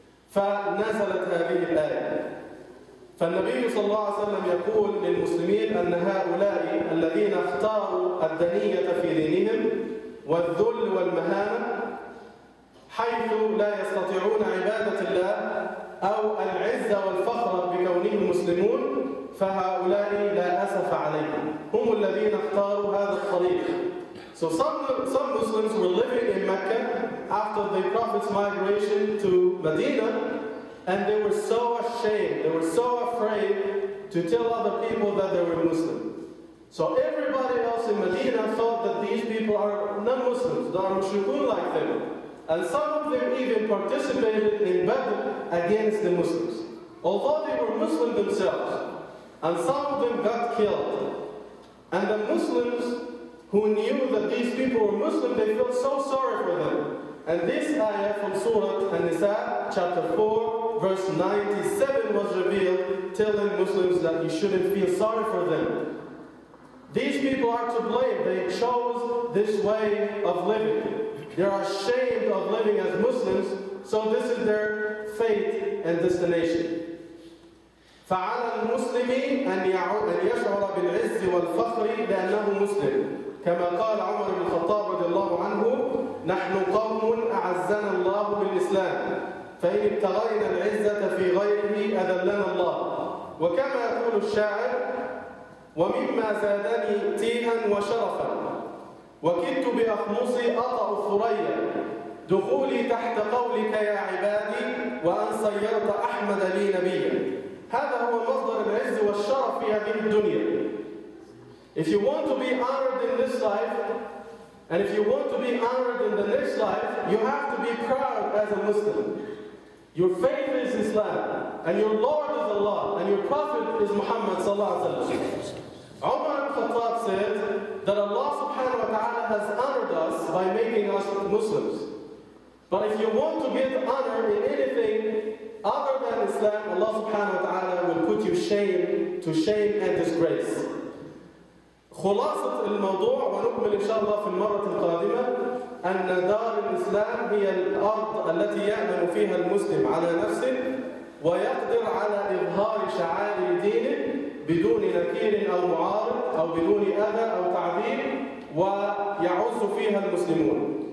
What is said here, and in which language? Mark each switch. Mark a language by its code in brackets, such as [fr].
[ar] فنزلت هذه الآية، فالنبي صلى الله عليه وسلم يقول للمسلمين أن هؤلاء الذين اختاروا الدنية في دينهم والذل والمهانة حيث لا يستطيعون عبادة الله أو العزة والفخر بكونهم مسلمون، فهؤلاء لا أسف عليهم، هم الذين اختاروا هذا الطريق. [en] So some Muslims were living in Mecca after the Prophet's migration to Medina, and they were so ashamed, they were so afraid to tell other people that they were Muslim. So everybody else in Medina thought that these people are non-Muslims, they are mushrikun like them. And some of them even participated in battle against the Muslims, although they were Muslim themselves. And some of them got killed. And the Muslims who knew that these people were Muslim, they felt so sorry for them. And this ayah from Surah An-Nisa, chapter 4, verse 97 was revealed, telling Muslims that you shouldn't feel sorry for them. These people are to blame. They chose this way of living. They are ashamed of living as Muslims, so this is their fate and destination. [ar] فعلى المسلم أن يشعر بالعز والفخر لأنه مسلم، كما قال عمر بن الخطاب رضي الله عنه: نحن قوم أعزنا الله بالإسلام، فإن ابتغينا العزة في غيره أذلنا الله. وكما يقول الشاعر: ومما زادني تيها وشرفا، وكدت بأخمصي أطأ الثريا، دخولي تحت قولك يا عبادي، وأن صيرت أحمد لي نبيا. هذا هو مصدر العز والشرف في هذه الدنيا. [en] If you want to be honored in this life, and if you want to be honored in the next life, you have to be proud as a Muslim. Your faith is Islam, and your Lord is Allah, and your Prophet is Muhammad صلى الله عليه وسلم. Umar ibn Khattab said that Allah subhanahu wa ta'ala has honored us by making us Muslims. But if you want to get honor in anything other than Islam, Allah subhanahu wa ta'ala will put you shame to shame and disgrace. [ar] خلاصة الموضوع ونكمل إن شاء الله في المرة القادمة، أن دار الإسلام هي الأرض التي يأمن فيها المسلم على نفسه ويقدر على إظهار شعائر دينه بدون نكير أو معارض أو بدون أذى أو تعذيب، ويعز فيها المسلمون.